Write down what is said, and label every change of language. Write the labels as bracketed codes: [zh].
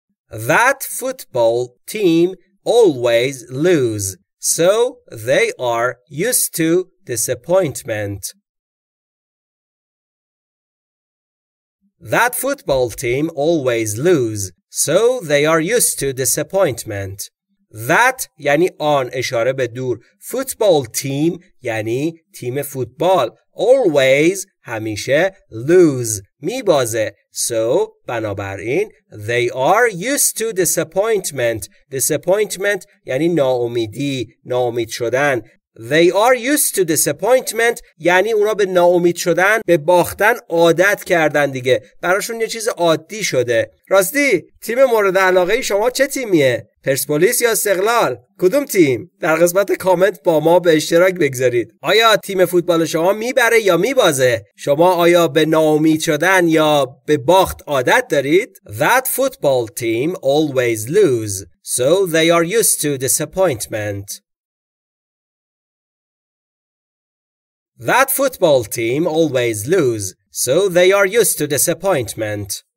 [en] That football team always lose, so they are used to disappointment. That football team always lose, so they are used to disappointment. [fa] That یعنی آن، اشاره به دور. [en] Football team [fa] یعنی تیم فوتبال. Always همیشه lose میبازه. [en] So [fa] بنابراین [en] they are used to disappointment. [fa] Disappointment یعنی ناامیدی، ناامید شدن. [en] They are used to disappointment [fa] یعنی اونا به ناامید شدن، به باختن عادت کردن دیگه، براشون یه چیز عادی شده. راستی تیم مورد علاقه شما چه تیمیه؟ پرسپولیس یا استقلال؟ کدوم تیم؟ در قسمت کامنت با ما به اشتراک بگذارید. آیا تیم فوتبال شما میبره یا میبازه؟ شما آیا به ناامید شدن یا به باخت عادت دارید؟ [en] That football team always lose, so they are used to disappointment. That football team always lose, so they are used to disappointment.